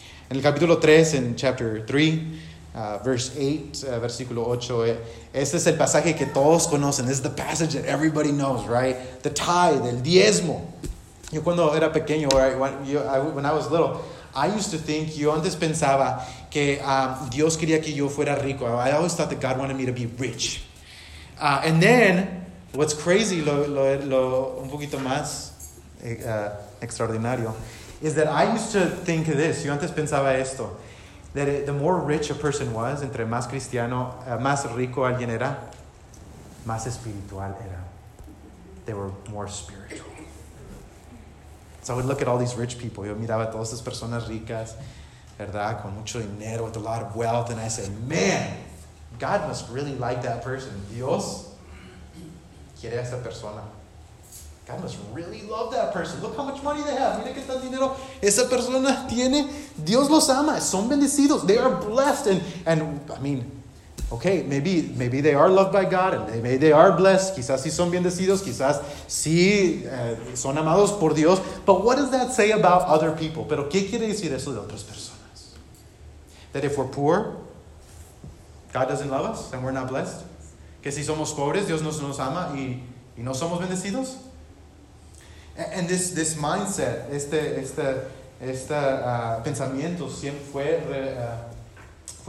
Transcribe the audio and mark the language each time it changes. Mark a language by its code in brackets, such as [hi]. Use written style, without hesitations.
[es] En el capítulo 3, [en] en chapter 3, [es] versículo 8, este es el pasaje que todos conocen. [en] This is the passage that everybody knows, right? The tithe, [es] el diezmo. Yo cuando era pequeño, [en] when I was little, I used to think, [es] yo antes pensaba que Dios quería que yo fuera rico. [en] I always thought that God wanted me to be rich. And then, what's crazy, [es] lo un poquito más extraordinario, [en] is that I used to think this, [es] yo antes pensaba esto, [en] that the more rich a person was, [es] entre más cristiano, más rico alguien era, más espiritual era. [en] They were more spiritual. So I would look at all these rich people. [es] Yo miraba a todas esas personas ricas, ¿verdad? Con mucho dinero, [en] with a lot of wealth. And I said, man, God must really like that person. [es] Dios quiere a esa persona. [en] God must really love that person. Look how much money they have. [es] Mira que tanto dinero esa persona tiene. Dios los ama. Son bendecidos. [en] They are blessed. And I mean, okay, maybe they are loved by God, and maybe they are blessed. [es] Quizás sí son bendecidos, quizás sí son amados por Dios. [en] But what does that say about other people? [es] Pero ¿qué quiere decir eso de otras personas? [en] That if we're poor, God doesn't love us, and we're not blessed. [es] Que si somos pobres, Dios no nos ama y no somos bendecidos. [en] And this mindset, [es] pensamiento siempre fue